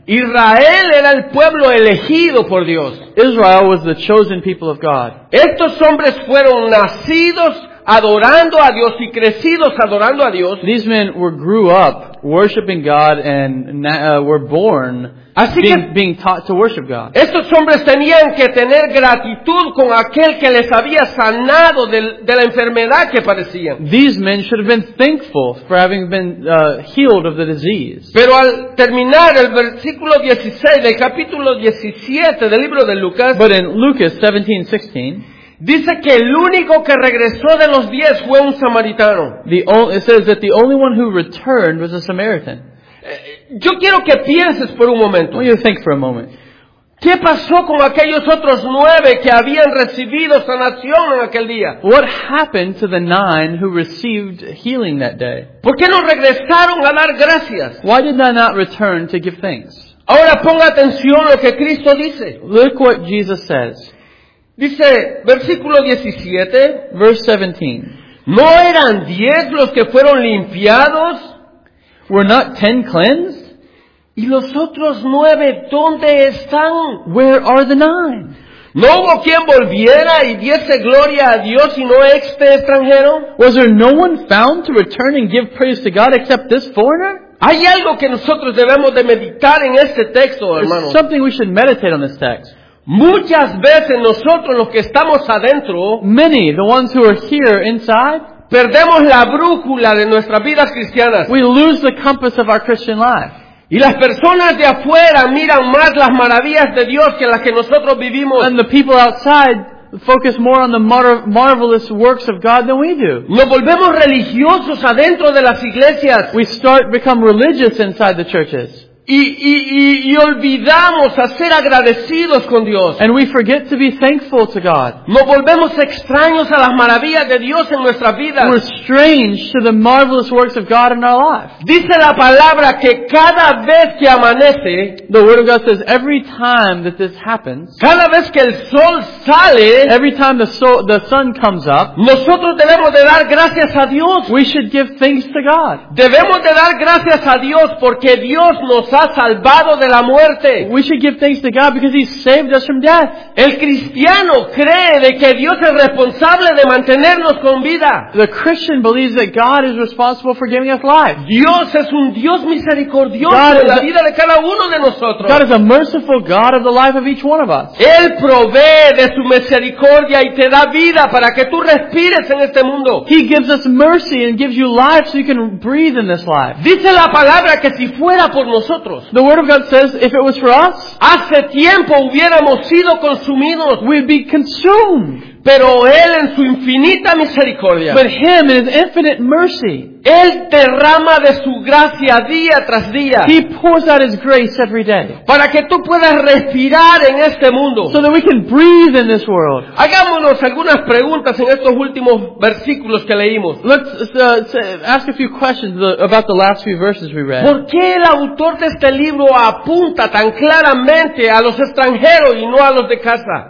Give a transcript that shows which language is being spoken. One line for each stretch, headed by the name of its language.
Spanish: Israel era el pueblo elegido por Dios.
English: Israel was the chosen people of God.
Spanish: Estos hombres fueron nacidos adorando a Dios y crecidos adorando a Dios.
English: These men were grew up worshiping God and were born being taught to worship God.
Spanish: Estos hombres tenían que tener gratitud con aquel que les había sanado de la enfermedad que padecían.
English: These men should have been thankful for having been healed of the disease.
Spanish: Pero al terminar el versículo 16 del capítulo 17 del libro de Lucas,
English: but in Lucas 17:16,
Spanish: dice que el único que regresó de los 10 fue un samaritano.
English: It says that the only one who returned was a Samaritan.
Spanish: Yo quiero que pienses por un momento.
English: What do you think for a moment?
Spanish: ¿Qué pasó con aquellos otros 9 que habían recibido sanación en aquel día?
English: What happened to the 9 who received healing that day?
Spanish: ¿Por qué no regresaron a dar gracias?
English: Why did they not return to give thanks?
Spanish: Ahora ponga atención a lo que Cristo dice.
English: Look what Jesus says.
Spanish: Dice, versículo 17.
English: Verse 17.
Spanish: ¿No eran 10 los que fueron limpiados?
English: Were not 10 cleansed?
Spanish: ¿Y los otros 9 dónde están?
English: Where are the 9?
Spanish: ¿No hubo quien volviera y diese gloria a Dios y no este extranjero?
English: Was there no one found to return and give praise to God except this foreigner?
Spanish: Hay algo que nosotros debemos de meditar en este texto, hermano.
English: There's something we should meditate on this text.
Spanish: Muchas veces nosotros los que estamos adentro,
English: many, the ones who are here inside,
Spanish: perdemos la brújula de nuestras vidas cristianas.
English: We lose the compass of our Christian life.
Spanish: Y las personas de afuera miran más las maravillas de Dios que las que nosotros vivimos.
English: And the people outside focus more on the marvelous works of God than we do.
Spanish: Nos volvemos religiosos adentro de las iglesias.
English: We start become religious inside the churches.
Spanish: Y olvidamos a ser agradecidos con Dios.
English: And we forget to be thankful to God.
Spanish: Nos volvemos extraños a las maravillas de Dios en nuestra vida.
English: We're strange to the marvelous works of God in our life.
Spanish: Dice la palabra que cada vez que amanece,
English: the word of God says every time that this happens,
Spanish: cada vez que el sol sale,
English: every time the sun comes up,
Spanish: nosotros debemos de dar gracias a Dios.
English: We should give thanks to God.
Spanish: Debemos de dar gracias a Dios porque Dios nos ha salvado de la muerte.
English: We should give thanks to God because He saved us from death.
Spanish: El cristiano cree de que Dios es responsable de mantenernos con vida.
English: The Christian believes that God is responsible for giving us life.
Spanish: Dios es un Dios misericordioso en la vida de cada uno de nosotros.
English: God is a merciful God of the life of each one of us.
Spanish: Él provee de su misericordia y te da vida para que tú respires en este mundo.
English: He gives us mercy and gives you life so you can breathe in this life.
Spanish: Dice la palabra que si fuera por nosotros,
English: the word of God says, if it was for us,
Spanish: hace tiempo hubiéramos sido consumidos.
English: We'd be consumed.
Spanish: Pero Él en su infinita misericordia,
English: but Him in His infinite mercy,
Spanish: Él derrama de su gracia día tras día.
English: He pours out His grace every day.
Spanish: Para que tú puedas respirar en este mundo.
English: So that we can breathe in this world.
Spanish: Hagámonos algunas preguntas en estos últimos versículos que leímos.
English: Let's ask a few questions about the last few verses we read.
Spanish: ¿Por qué el autor de este libro apunta tan claramente a los extranjeros y no a los de casa?